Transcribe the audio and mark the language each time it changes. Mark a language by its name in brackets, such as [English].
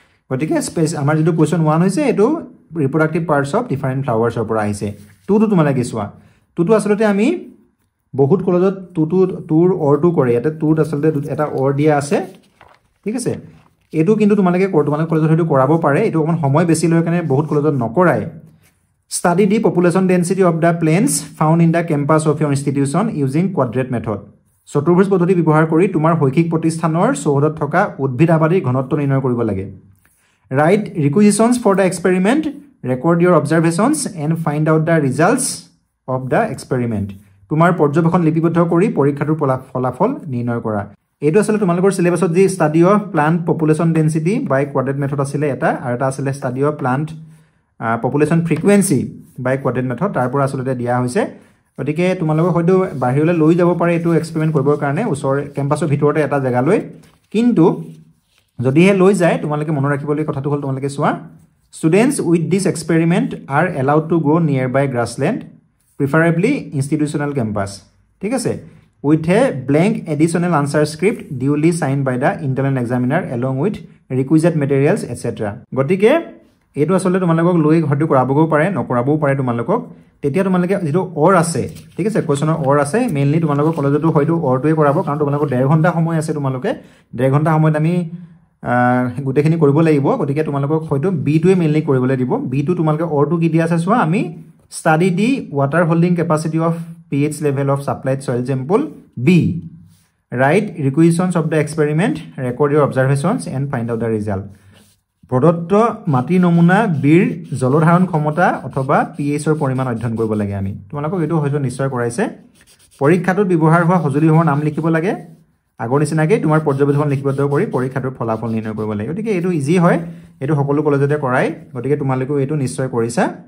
[Assamese] গতিকে স্পেচ আমাৰ যিটো কুৱেশ্যন 1 হৈছে এইটো ৰিপ্ৰডাক্টিভ পাৰ্টছ অফ ডিফাৰেণ্ট ফ্লাৱাৰ্ছৰ পৰা আহিছে। 2টো তোমালোকে চোৱা, 2টো আচলতে আমি বহুত কলেজত 2টো 2ৰ অৰটো কৰে, ইয়াতে 2ত আচলতে এটা অৰ দিয়া আছে, ঠিক আছে? এইটো কিন্তু তোমালোকে তোমালোকৰ কলেজত হয়তো কৰাব পাৰে, এইটো অকণমান সময় বেছি লৈ কাৰণে বহুত কলেজত নকৰায়। [English] Study the population density of the plants found in the campus of your institution using quadrate method. [Assamese] চতুৰ্ভুজ পদ্ধতি ব্যৱহাৰ কৰি তোমাৰ শৈক্ষিক প্ৰতিষ্ঠানৰ চৌহদত থকা উদ্ভিদ আবাদীৰ ঘনত্ব নিৰ্ণয় কৰিব লাগে। [English] Write requisitions for the experiment, record your observations and find out the results of the experiment. [Assamese] তোমাৰ পৰ্যবেক্ষণ লিপিবদ্ধ কৰি পৰীক্ষাটোৰ ফলাফল নিৰ্ণয় কৰা। এইটো আছিলে তোমালোকৰ চিলেবাছত যি [English] study of plant population density by quadrat method [Assamese] আছিলে এটা, আৰু এটা আছিলে study of plant population frequency by কোৱাড্ৰেট method, তাৰ পৰা আচলতে দিয়া হৈছে। গতিকে তোমালোকে হয়তো বাহিৰলৈ লৈ যাব পাৰে এইটো এক্সপেৰিমেণ্ট কৰিবৰ কাৰণে ওচৰৰ কেম্পাছৰ ভিতৰতে এটা জেগালৈ, কিন্তু যদিহে লৈ যায় তোমালোকে মনত ৰাখিবলগীয়া কথাটো হ'ল, তোমালোকে চোৱা, [English] Students with this experiment are allowed to go' near by grassland, preferably institutional campus. [Assamese] ঠিক আছে, [English] with a blank additional answer script duly signed by the internal examiner along with requisite materials etc. [Assamese] গতিকে এইটো আসলে তোমালোকক লৈ ঘৰটো কৰাবগো পাৰে নকৰাবো পাৰে তোমালোকক তেতিয়া তোমালোকে যেটো অৰ আছে ঠিক আছে কোৱেশ্চনৰ অৰ আছে মেইনলি তোমালোকক কলেজটো হয়তো অৰটোৱে কৰাব কাৰণ তোমালোকৰ ডেৰ ঘণ্টা সময় আছে তোমালোকে ডেৰ ঘণ্টা সময়ত আমি গোটেইখিনি কৰিব লাগিব গতিকে তোমালোকক হয়তো বিটোৱে মেইনলি কৰিবলৈ দিব বিটো তোমালোকে অৰটো কি দিয়া আছে চোৱা আমি [English] Study the water holding capacity of pH level of supplied soil sample B. Write requisitions of the experiment, record your observations and find out the result. [Assamese] প্ৰদত্ত মাটিৰ নমুনা বিৰ জলধাৰণ ক্ষমতা অথবা pHৰ পৰিমাণ অধ্যয়ন কৰিব লাগে আমি তোমালোকক এইটো হয়তো নিশ্চয় কৰাইছে পৰীক্ষাটোত ব্যৱহাৰ হোৱা সঁজুলিসমূহৰ নাম লিখিব লাগে আগৰ নিচিনাকৈ তোমাৰ পৰ্যবেক্ষণ লিখিবদ্ধ কৰি পৰীক্ষাটোৰ ফলাফল নিৰ্ণয় কৰিব লাগে গতিকে এইটো ইজি হয় এইটো সকলো কলেজতে কৰায় গতিকে তোমালোকেও এইটো নিশ্চয় কৰিছা